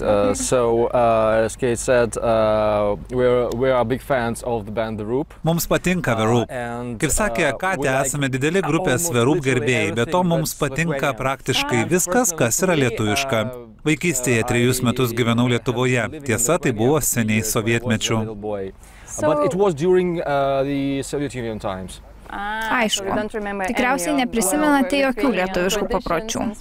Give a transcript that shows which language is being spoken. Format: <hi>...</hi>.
<en>As Kate said, we are big fans of the band The Roop.</en> <lt>Mums patinka The Roop. Kaip sakė Katė, esame dideli grupės The Roop gerbėjai, bet to mums patinka praktiškai viskas, kas yra lietuviška. Vaikystėje 3 metus gyvenau Lietuvoje. Tiesa, tai buvo seniai sovietmečių.</lt> <en>But it was during the Soviet Union times.</en> <lt>Aišku. Tikriausiai neprisimenate jokių lietuviškų papročių.</lt>